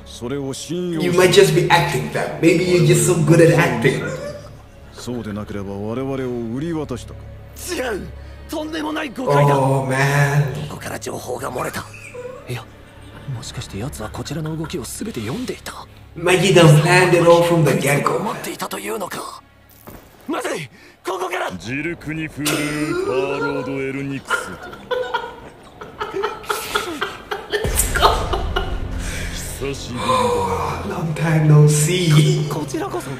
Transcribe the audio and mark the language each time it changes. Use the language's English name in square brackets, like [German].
[Japanese] それを信用。 [English] You might just be acting that. Maybe you're just so good at acting. [Japanese] そうでなければ我々を売り渡したか。違う。とんでもない誤解だ。 [English] Oh man. [Japanese] どこから情報が漏れた。いや、もしかして奴はこちらの動きをすべて読んでいた。 [English] Maybe they planned it all from the get-go. [Japanese] 待っていたというのか。まずい。ここから。ジルクに振るパーロードエルニクスと。久しぶりだ。 [English] Long time no see. [Japanese] こちらこそ。